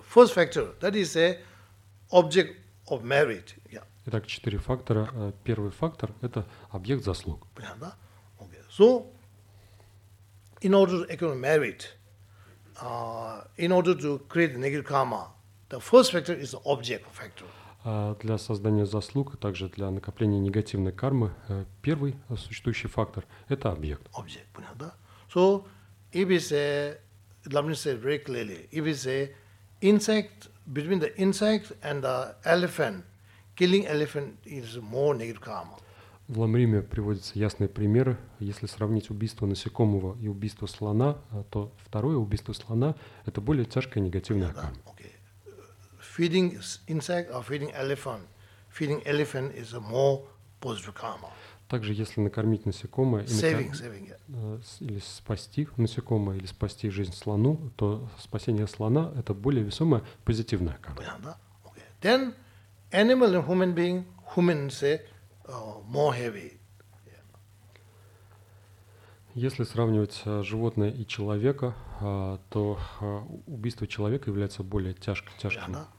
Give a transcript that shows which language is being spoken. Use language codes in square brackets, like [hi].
[en] First factor, that is a object of merit. Yeah. [ru] Итак, четыре фактора. Первый фактор – это объект заслуг. Понятно, да? Okay. [en] So, in order to accumulate merit, in order to create negative karma, the first factor is the object factor. [ru] Для создания заслуг, а также для накопления негативной кармы, первый существующий фактор – это объект. Object, понятно, да? [en] So, if it's a, let me say very clearly, if it's a insect, between the insect and the elephant, killing elephant is more negative karma. [ru] В Ламриме приводятся ясные примеры. Если сравнить убийство насекомого и убийство слона, то второе убийство слона – это более тяжкая негативная карма. [en] Feeding insect or feeding elephant is a more positive karma. [ru] Также, если накормить насекомое или спасти насекомое, или спасти жизнь слону, то спасение слона – это более весомая позитивная карма. [en] Then animal and human being, human say, more heavy. [ru] Если сравнивать животное и человека, то убийство человека является более тяжким.